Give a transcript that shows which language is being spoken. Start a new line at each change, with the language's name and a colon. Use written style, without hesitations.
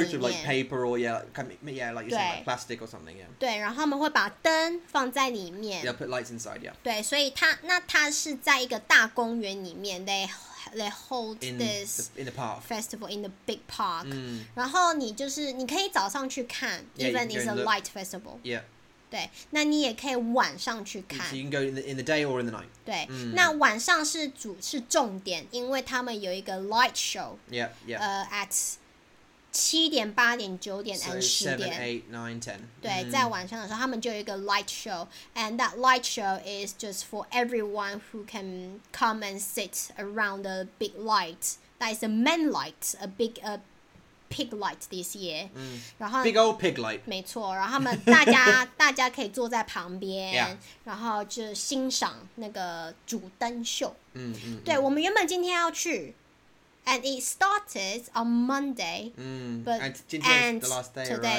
English: I think most of like paper or, like you said, like plastic or something, yeah.
Chinese: 对, 然后他们会把灯放在里面。
English: Yeah, put lights inside, yeah.
Chinese: 对, 所以它是在一个大公园里面,
English: they hold in the park. Festival in the big park. Mm.
Chinese: 然后你可以早上去看,
English: even it's a light festival. Yeah.
Chinese: 对, 那你也可以晚上去看。
English: So you can go in the day or in the night.
Chinese: 对, 那晚上是重点, 因为他们有一个 light show.
English: Yeah, yeah.
Chinese: At 7点, 8点, 9点,
English: and
Chinese: 10点.7,
English: 8, 9, 10.
Chinese: 对, 在晚上的时候, 他们就有一个 light show.
English: And that light show is just for everyone who can come and sit around the big light. That is the main light, a pig light this year.
Chinese: 然后,
English: big old pig light.
Chinese: 没错, 然后他们大家, 大家可以坐在旁边,
English: yeah.
Chinese: 然后就欣赏那个主灯秀. 对, 我们原本今天要去,
English: and it started on Monday, but and the last day today,